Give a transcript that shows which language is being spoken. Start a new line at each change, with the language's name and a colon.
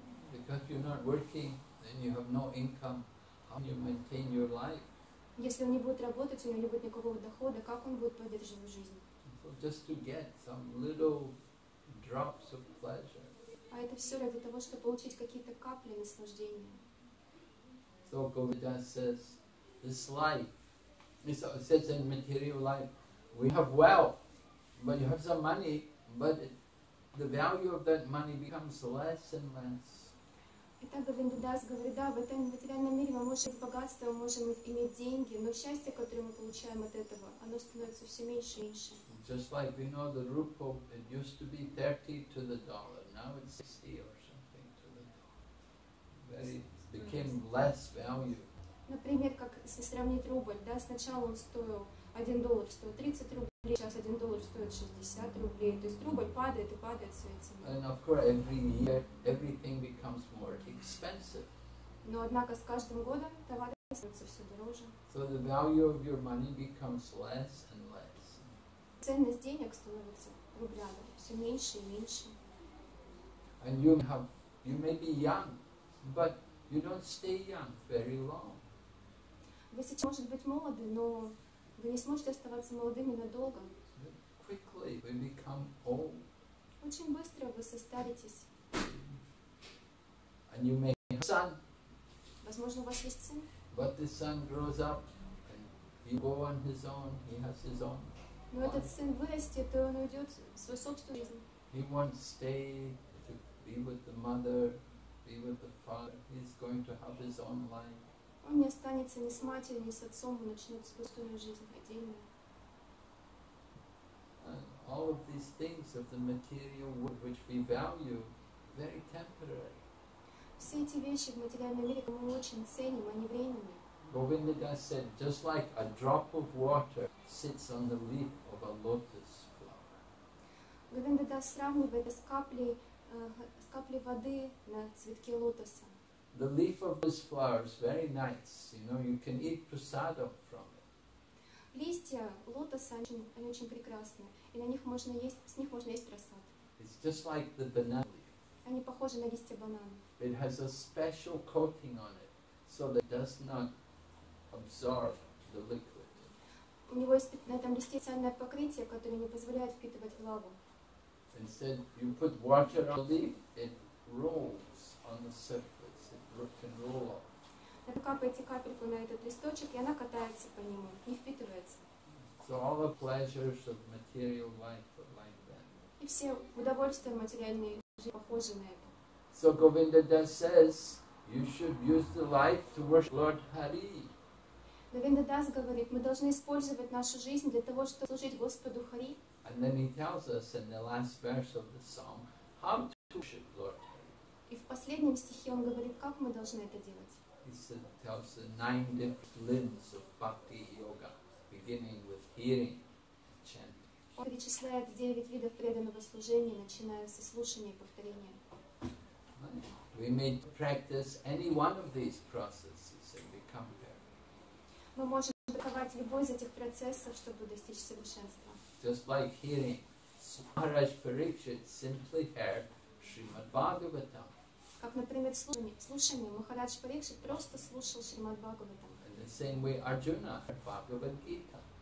English: Because you're not working. And you have no income. How can you maintain your life?
Russian: Если он не будет работать, у него не будет никакого дохода. Как он будет поддерживать жизнь?
English: So just to get some little drops of pleasure.
Russian: А это все ради того, чтобы получить какие-то капли наслаждения.
English: So Govinda says, this life. It says in material life, we have wealth, but you have some money, but the value of that money becomes less and less.
Russian: Итак, Говиндадас говорит, да, в этом материальном мире мы можем иметь богатство, мы можем иметь деньги, но счастье, которое мы получаем от этого, оно становится все меньше и меньше.
English: Just like we know the rupee, it used to be 30 to the dollar, now it's 60 or something to the dollar. It became less value.
Russian: Например, как сравнить рубль, да, сначала он стоил 1 доллар, стоил 30 рублей, сейчас 1 доллар стоит 60 рублей, то есть рубль падает и падает с этим.
English: And of course, every year, everything becomes more expensive.
Russian: Но однако с каждым годом товары становятся все дороже.
English: So the value of your money becomes less and less.
Russian: Ценность денег становится рублями все меньше и меньше.
English: And you may be young, but you don't stay young very long.
Russian: Вы сейчас можете быть молоды, но вы не сможете оставаться молодыми надолго.
English: Quickly we become old.
Russian: Очень быстро вы состаритесь.
English: And you may have a son.
Russian: Возможно, у вас есть сын.
English: But the son grows up and he go on his own. He has his own.
Russian: Но этот сын вырастет, и он уйдет в свою собственную жизнь.
English: He won't stay to be with the mother, be with the father. He's going to have his own life.
Russian: Он не останется ни с матерью, ни с отцом, он начнет свою собственную жизнь отдельно.
English: And all of these things of the material world which we value, very temporary.
Russian: Все эти вещи в материальном мире, которые мы очень ценим, они временные.
English: Govindadas said, just like a drop of water sits on the leaf of a lotus flower.
Russian: Govinda Das сравнивает это с каплей воды на цветке лотоса.
English: The leaf of this flower is very nice. You know, you can eat prasadam from it.
Russian: Листья лотоса очень прекрасны, и на них можно есть, с них можно есть прасад.
English: It's just like the banana leaf.
Russian: Они похожи на листья банана.
English: It has a special coating on it, so that it does not absorb the liquid.
Russian: У него есть на этом листе специальное покрытие, которое не позволяет впитывать влагу.
English: Instead, you put water on the leaf, it rolls on the surface, it can roll off.
Russian: Вы капаете капельку на этот листочек, и она катается по нему, не впитывается.
English: So all the pleasures of material life are like that.
Russian: И все удовольствия материальные жизни похожи на это.
English: So Govinda Das says, you should use the life to worship Lord Hari.
Russian: Govinda Das говорит, мы должны использовать нашу жизнь для того, чтобы служить Господу Хари.
English: And then he tells us in the last verse of the song, how to worship Lord Hari.
Russian: И в последнем стихе он говорит, как мы должны это делать.
English: He said, tells the nine different limbs of Bhakti Yoga, beginning with hearing and chanting.
Russian: Он перечисляет девять видов преданного служения, начиная со слушания и повторения.
English: We may practice any one of these processes and become perfect.
Russian: Мы можем практиковать любой из этих процессов, чтобы достичь совершенства.
English: Just like hearing, Maharaj Parikshit simply heard Srimad Bhagavatam.
Russian: Как, например, слушание Махарадж Парикшит просто слушал Шримад Бхагаватам.
English: In the same way, Arjuna heard Bhagavad Gita.